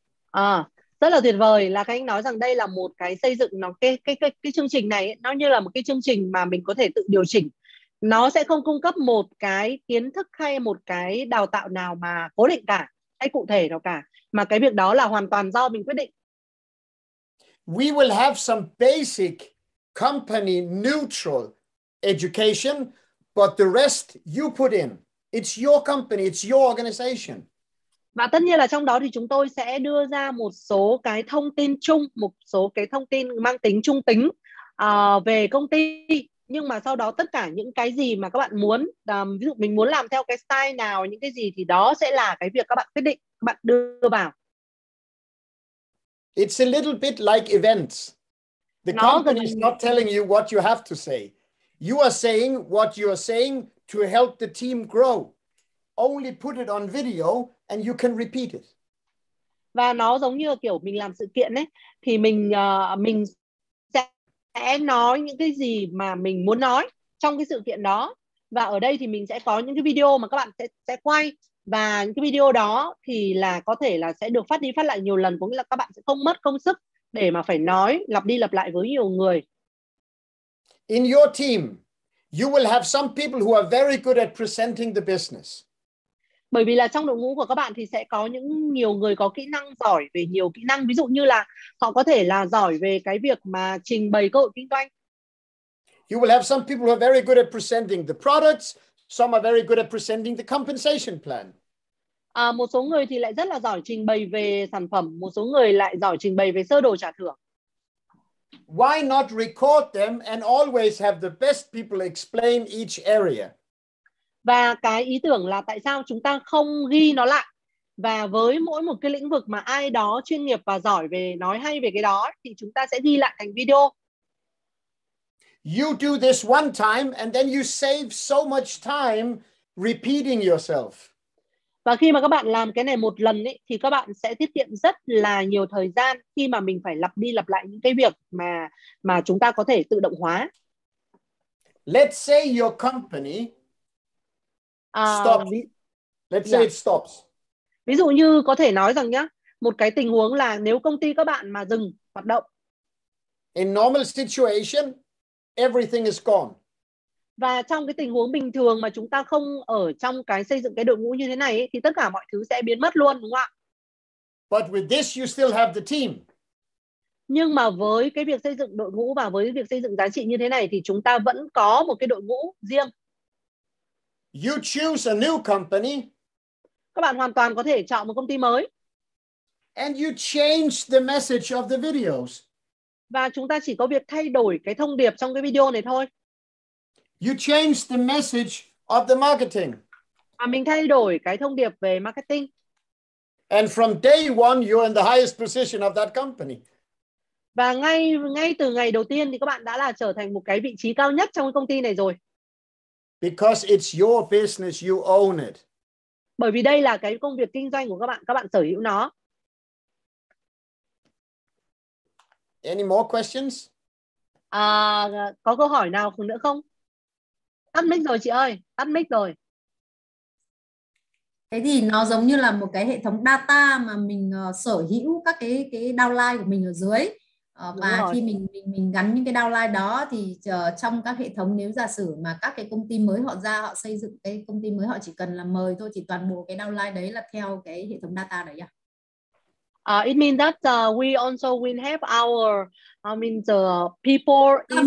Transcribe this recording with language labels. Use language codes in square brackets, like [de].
[vi] À, rất là tuyệt vời là các anh nói rằng đây là một cái xây dựng nó cái chương trình này nó như là một cái chương trình mà mình có thể tự điều chỉnh. Nó sẽ không cung cấp một cái kiến thức hay một cái đào tạo nào mà cố định cả hay cụ thể nào cả, mà cái việc đó là hoàn toàn do mình quyết định. [en] We will have some basic company neutral education, but the rest you put in. It's your company, it's your organization. [vi] Và tất nhiên là trong đó thì chúng tôi sẽ đưa ra một số cái thông tin chung, một số cái thông tin mang tính trung tính về công ty. Nhưng mà sau đó tất cả những cái gì mà các bạn muốn, ví dụ mình muốn làm theo cái style nào, những cái gì thì đó sẽ là cái việc các bạn quyết định, các bạn đưa vào. [en] It's a little bit like events. The company is not telling you what you have to say. You are saying what you are saying to help the team grow. Only put it on video and you can repeat it. [vi] Và nó giống như kiểu mình làm sự kiện ấy, thì mình sẽ nói những cái gì mà mình muốn nói trong cái sự kiện đó. Và ở đây thì mình sẽ có những cái video mà các bạn sẽ quay. Và những cái video đó thì là có thể là sẽ được phát đi phát lại nhiều lần, cũng như là các bạn sẽ không mất công sức để mà phải nói lặp đi lặp lại với nhiều người. [en] In your team, you will have some people who are very good at presenting the business. [vi] Bởi vì là trong đội ngũ của các bạn thì sẽ có những nhiều người có kỹ năng giỏi về nhiều kỹ năng, ví dụ như là họ có thể là giỏi về cái việc mà trình bày cơ hội kinh doanh. [en] You will have some people who are very good at presenting the products. Some are very good at presenting the compensation plan. [vi] À, một số người thì lại rất là giỏi trình bày về sản phẩm, một số người lại giỏi trình bày về sơ đồ trả thưởng. [en] Why not record them and always have the best people explain each area? [vi] Và cái ý tưởng là tại sao chúng ta không ghi nó lại, và với mỗi một cái lĩnh vực mà ai đó chuyên nghiệp và giỏi về nói hay về cái đó thì chúng ta sẽ ghi lại thành video. [en] You do this one time and then you save so much time repeating yourself. [vi] Và khi mà các bạn làm cái này một lần ấy thì các bạn sẽ tiết kiệm rất là nhiều thời gian khi mà mình phải lặp đi lặp lại những cái việc mà chúng ta có thể tự động hóa. [en] Let's say your company stops. Let's say it stops. [vi] Ví dụ như có thể nói rằng nhá, một cái tình huống là nếu công ty các bạn mà dừng hoạt động. [en] In normal situation, everything is gone. [vi] Và trong cái tình huống bình thường mà chúng ta không ở trong cái xây dựng cái đội ngũ như thế này ấy, thì tất cả mọi thứ sẽ biến mất luôn, đúng không ạ? [en] But with this you still have the team. [vi] Nhưng mà với cái việc xây dựng đội ngũ và với việc xây dựng giá trị như thế này thì chúng ta vẫn có một cái đội ngũ riêng. [en] You choose a new company. [vi] Các bạn hoàn toàn có thể chọn một công ty mới. [en] And you change the message of the videos. [vi] Và chúng ta chỉ có việc thay đổi cái thông điệp trong cái video này thôi. [en] You change the message of the marketing. [vi] À, mình thay đổi cái thông điệp về marketing. [en] And from day one, you're in the highest position of that company. [vi] Và ngay từ ngày đầu tiên thì các bạn đã là trở thành một cái vị trí cao nhất trong cái công ty này rồi. [en] Because it's your business, you own it. [vi] Bởi vì đây là cái công việc kinh doanh của các bạn sở hữu nó. [en] Any more questions? [vi] À, có câu hỏi nào nữa không? Tắt mic rồi chị ơi, tắt mic rồi. Thế thì nó giống như là một cái hệ thống data mà mình sở hữu các cái downline của mình ở dưới. Và khi mình gắn những cái downline đó thì trong các hệ thống, nếu giả sử mà các cái công ty mới họ ra, họ xây dựng cái công ty mới, họ chỉ cần là mời thôi, chỉ toàn bộ cái downline đấy là theo cái hệ thống data đấy à? [en] It means that we also will have our, I mean the people in